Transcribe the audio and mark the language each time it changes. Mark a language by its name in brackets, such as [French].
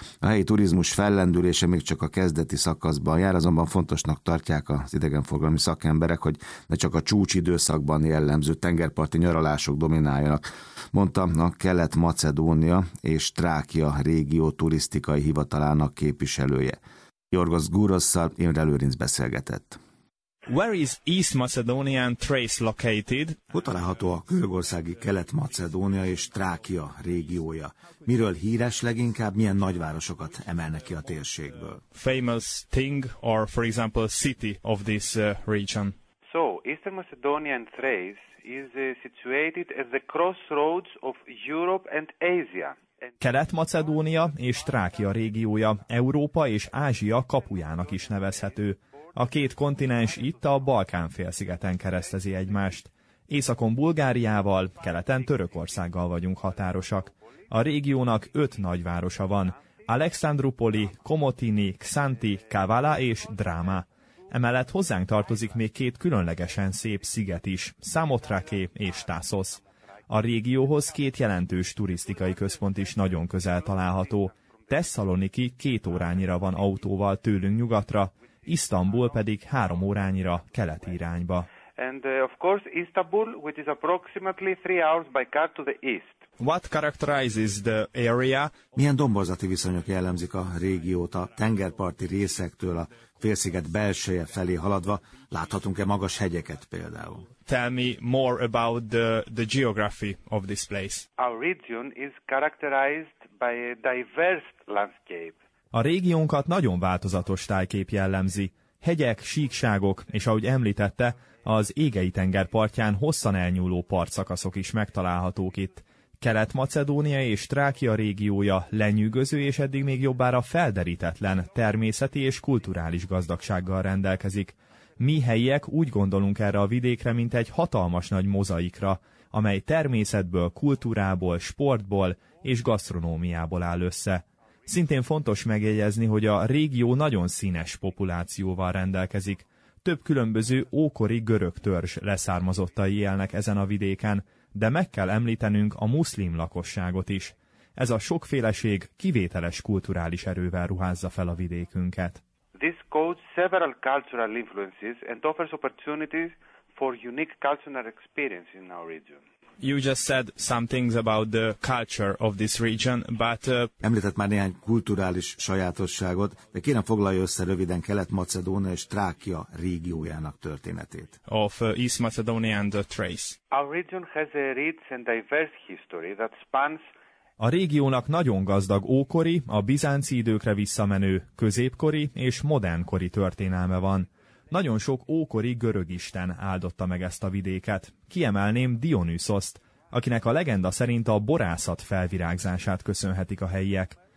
[Hungarian] A helyi turizmus fellendülése még csak a kezdeti szakaszban jár, azonban fontosnak tartják az idegenforgalmi szakemberek, hogy ne csak a csúcsidőszakban jellemző tengerparti nyaralások domináljanak, mondta a Kelet-Macedónia és Trákia régió turisztikai hivatalának képviselője. Jorgos Gurossal Imre Lőrinc beszélgetett. [English] Where is East Macedonian Thrace located? [Hungarian] Hol található a görögországi Kelet-Macedónia és Trákia régiója? Miről híres leginkább, milyen nagyvárosokat emelnek ki a térségből? [English] Famous thing or for example city of this region. So, Eastern Macedonia and Thrace is situated at the crossroads of Europe and Asia. [Hungarian] Kelet-Macedónia és Trákia régiója Európa és Ázsia kapujának is nevezhető. A két kontinens itt a Balkán-félszigeten keresztezi egymást. Északon Bulgáriával, keleten Törökországgal vagyunk határosak. A régiónak 5 nagyvárosa van. Alexandrupoli, Komotini, Xanti, Kavala és Drama. Emellett hozzánk tartozik még két különlegesen szép sziget is, Samotrake és Tasos. A régióhoz két jelentős turisztikai központ is nagyon közel található. Tesszaloniki 2 órányira van autóval tőlünk nyugatra, Isztambul pedig 3 órányira keleti irányba. [English] And of course Istanbul, which is approximately 3 hours by car to the east. What characterizes the area? [Hungarian] Milyen domborzati viszonyok jellemzik a régiót a tengerparti részektől a félsziget belseje felé haladva? Láthatunk-e magas hegyeket például? [English] Tell me more about the geography of this place. Our region is characterized by a diverse landscape. [Hungarian] A régiónkat nagyon változatos tájkép jellemzi. Hegyek, síkságok, és ahogy említette, az Égei-tenger partján hosszan elnyúló partszakaszok is megtalálhatók itt. Kelet-Macedónia és Trákia régiója lenyűgöző és eddig még jobbára felderítetlen természeti és kulturális gazdagsággal rendelkezik. Mi helyiek úgy gondolunk erre a vidékre, mint egy hatalmas nagy mozaikra, amely természetből, kultúrából, sportból és gasztronómiából áll össze. Szintén fontos megjegyezni, hogy a régió nagyon színes populációval rendelkezik. Több különböző ókori görög törzs leszármazottai élnek ezen a vidéken, de meg kell említenünk a muszlim lakosságot is. Ez a sokféleség kivételes kulturális erővel ruházza fel a vidékünket. [English] This coast several cultural influences and offers opportunities for unique cultural experience in our region. You just said some things about the culture of this region, but [Hungarian] említett már néhány kulturális sajátosságot, de kérem foglalja össze röviden Kelet-Macedónia és Trákia régiójának történetét. [English] Of East Macedonia and Thrace. Our region has a rich and diverse history that spans. [Hungarian] A régiónak nagyon gazdag ókori, a bizánci időkre visszamenő, középkori és modernkori történelme van. Nagyon sok ókori görög isten áldotta meg ezt a vidéket. Kiemelném Dionüszoszt, akinek a legenda szerint a borászat felvirágzását köszönhetik a helyiek.